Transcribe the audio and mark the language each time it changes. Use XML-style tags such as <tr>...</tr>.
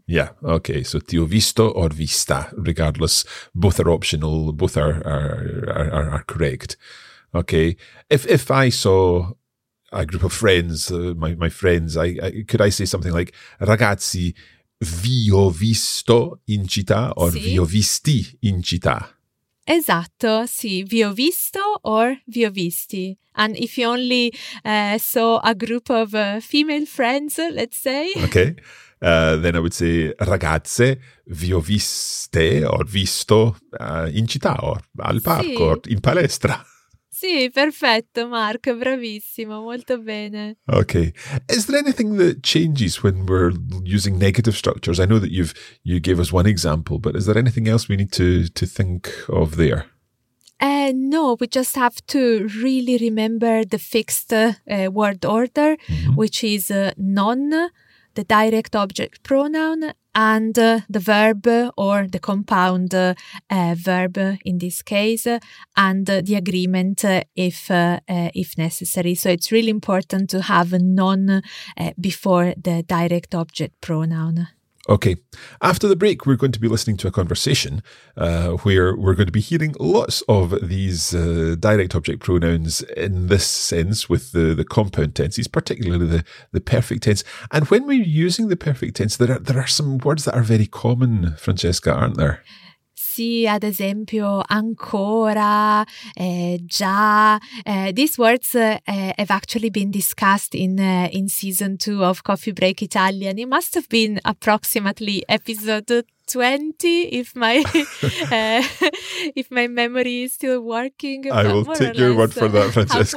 <en>Yeah, okay. So</en> <it>ti ho visto</it> <en>or vista, regardless, both are optional, both are correct. Okay. If I saw a group of friends, my friends, I could I say something like,</en> <it>ragazzi, vi ho visto in città</it> <en>or</en> <it>sì. Vi ho visti in città? Esatto, sì, vi ho visto or vi ho visti.</it> <en>And if you only saw a group of female friends, let's say. Okay, then I would say,</en> <it>ragazze, vi ho viste or visto in città or al parco sì. Or in palestra. Sì, perfetto, Mark, bravissimo, molto bene.</it> <en>Okay, is there anything that changes when we're using negative structures? I know that you gave us one example, but is there anything else we need to think of there? No, we just have to really remember the fixed word order, mm-hmm. which is non, the direct object pronoun, and the verb or the compound verb in this case, and the agreement if necessary. So it's really important to have a non before the direct object pronoun. Okay. After the break, we're going to be listening to a conversation where we're going to be hearing lots of these direct object pronouns in this sense with the compound tenses, particularly the perfect tense. And when we're using the perfect tense, there are some words that are very common, Francesca, aren't there?</en> <it>Sì, ad esempio, ancora, già.</it> <en>These words have actually been discussed in season 2 of Coffee Break Italian. It must have been approximately episode 20, if my memory is still working. I will take your word for that, Francesca.</en>